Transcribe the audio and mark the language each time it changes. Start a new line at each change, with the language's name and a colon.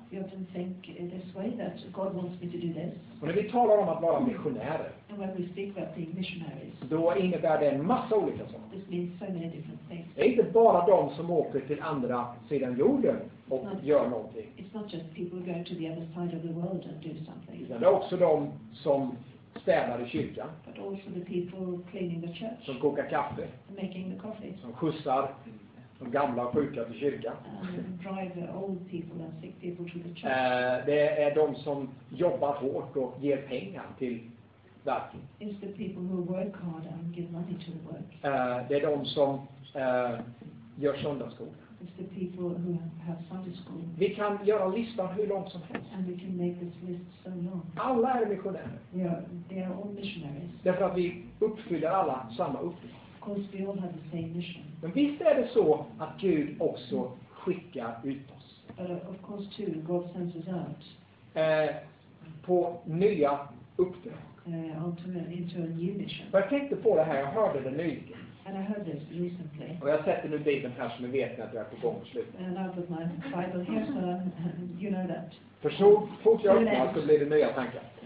English: We often think this way, that God wants me to do this.
Swedish: Och när vi talar om att vara missionärer.
English: And when we speak about being missionaries.
Swedish: Då innebär det en massa olika saker.
English: This means so many different things.
Swedish: Det är inte bara de som åker till andra sidan jorden och gör någonting.
English: It's not just people who go to the other side of the world and do something.
Swedish: Det är också de som städar i kyrkan.
English: But also the people cleaning the church.
Swedish: Som kokar kaffe.
English: Making the coffee.
Swedish: Som skjutsar de gamla och sjuka till kyrkan.
English: Drive the old people and sick people to the church.
Swedish: Det är de som jobbar hårt och ger pengar till verken.
English: It's the people who work hard and give money to the work.
Swedish: Det är de som gör söndagsskolan.
English: It's the people who have Sunday school.
Swedish: Vi kan göra listan hur långt som helst.
English: And we can make this list so long.
Swedish: Alla är missionärer.
English: Yeah, they are all missionaries.
Swedish: Därför att vi uppfyller alla samma uppgift.
English: Of course we all have the same mission.
Swedish: Men visst är det så att Gud också skickar ut oss.
English: Of course too, God sends us out.
Swedish: På nya uppdrag.
English: Into a new mission.
Swedish: Jag tänkte på det här, jag hörde det nyligen.
English: And I heard this recently.
Swedish: Och jag sätter nu Bibeln här som ni vet att jag är på gång och slut.
English: And I put my Bible here, so you know that.
Swedish: För så fort jag öppnar så blir det nya tankar.